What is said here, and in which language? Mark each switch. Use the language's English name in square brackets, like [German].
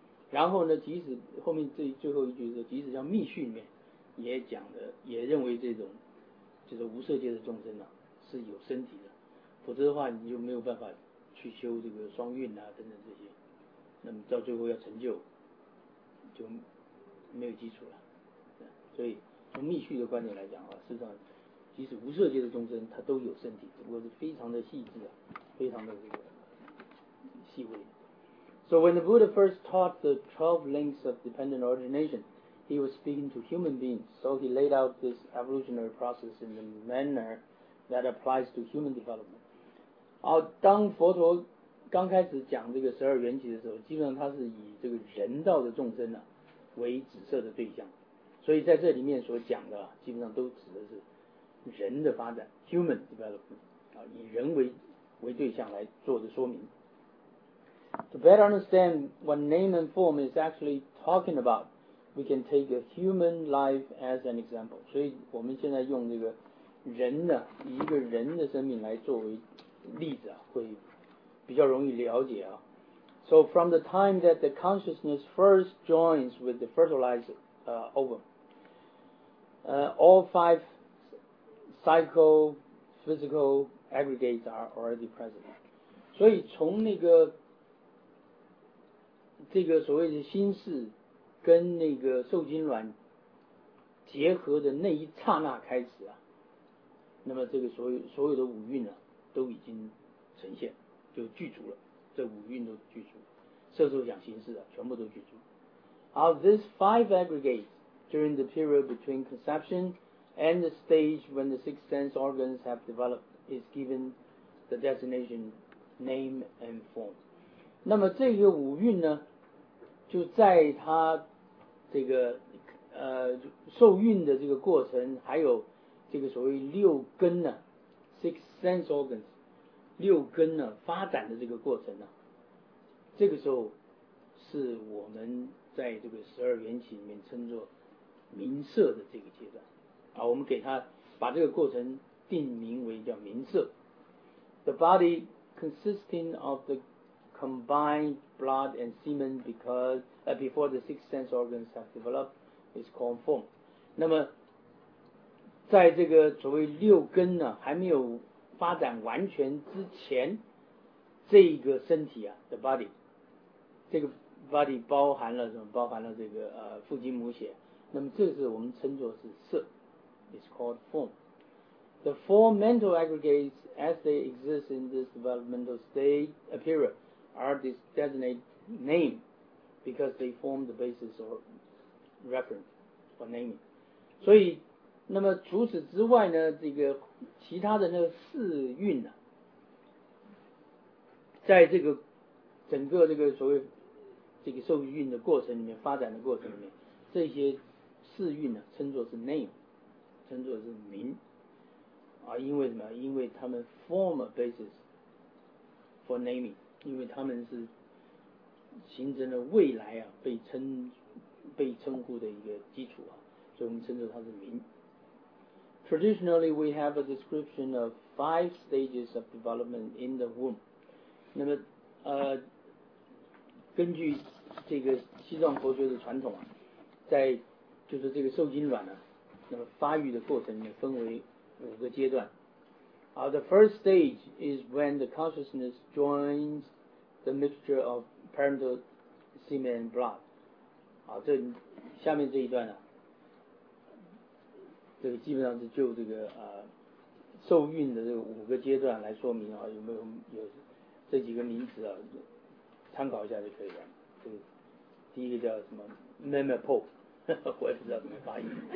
[Chinese] 然后呢，即使后面这最后一句是，即使像密训里面也讲的，也认为这种就是无色界的众生啊是有身体的，否则的话你就没有办法去修这个双运啊等等这些，那么到最后要成就就没有基础了。所以从密续的观点来讲啊，事实上即使无色界的众生他都有身体，只不过是非常的细致啊，非常的这个细微。 [English] So when the Buddha first taught the 12 links of dependent origination, he was speaking to human beings. So he laid out this evolutionary process in the manner that applies to human development. [Chinese] 当佛陀刚开始讲这个十二缘起的时候，基本上他是以这个人道的众生啊为指涉的对象，所以在这里面所讲的基本上都指的是人的发展 ， [English] human development， [Chinese] 以人为对象来做的说明。 [English] To better understand what name and form is actually talking about, we can take a human life as an example. [Chinese] 所以我们现在用这个人的以一个人的生命来作为例子啊，会比较容易了解啊。 [English] So from the time that the consciousness first joins with the fertilized ovum, all five psycho-physical aggregates are already present. [Chinese] 所以从那个这个所谓的心事跟那个受精卵结合的那一刹那开始啊，那么这个所有的五蕴啊都已经呈现，就具足了，这五蕴都具足，色受想行识啊，全部都具足。 [English] Of these five aggregates, during the period between conception and the stage when the six sense organs have developed, is given the designation name and form. [Chinese] 那么这个五蕴呢，就在它这个受孕的这个过程，还有这个所谓六根呢 ， [English] six sense organs， [Chinese] 六根呢发展的这个过程呢，这个时候是我们在这个十二缘起里面称作名色的这个阶段啊，我们给它把这个过程定名为叫名色。 [English] The body consisting of the combined blood and semen before the six sense organs have developed. Is called form. [Chinese] 那么，在这个所谓六根呢还没有发展完全之前，这个身体啊 ， [English] the body， [Chinese] 这个 body 包含了什么？包含了这个父精母血。那么这是我们称作是色 ， [English] is called form. The four mental aggregates as they exist in this developmental state period are this designate name because they form the basis orReference or naming. [Chinese] 所以那么除此之外呢，这个其他的那个四蕴呢，在这个整个这个所谓这个受孕的过程里面，发展的过程里面，这些四蕴呢称作是 name， 称作是名啊，因为什么？因为他们 [English] form a basis for naming， [Chinese] 因为他们是形成了未来啊被称呼的一个基础啊，所以我们称作它是名。 [English] Traditionally, we have a description of five stages of development in the womb. [Chinese] 那么，根据这个西藏佛学的传统啊，在就是这个受精卵呢、啊，那么发育的过程里面分为五个阶段。 [English] The first stage is when the consciousness joins the mixture of parental semen and blood. [Chinese] 好，这下面这一段呢、啊，这个基本上是就这个受孕的这个五个阶段来说明啊，有没有有这几个名词啊，参考一下就可以了。这个第一个叫什么 ？Menopo， 我也不知道怎么发音。